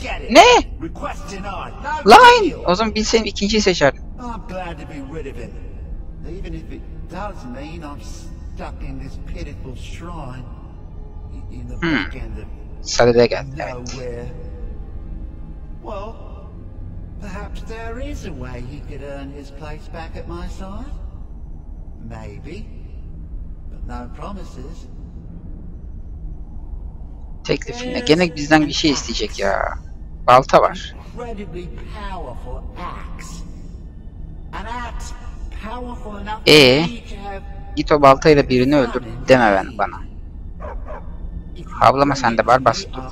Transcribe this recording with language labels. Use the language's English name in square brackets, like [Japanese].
[Turkish] Ne? Line! O zaman bilseydim ikinciyi seçerdim. [English] I'm glad to be rid of him. Even if it does mean I'm stuck in this pitiful shrine. In the back end of... [Turkish] Sadede geldi, evet. Well... [English] perhaps there is a way he could earn his place back at my side. Maybe. But no promises. [Turkish] Teklifinde gene bizden bir şey isteyecek ya. Balta var. [English] Incredibly powerful axe. An axe powerful enough to have... [Turkish] git o baltayla birini öldür deme ben bana. Havlama sen de Barbas.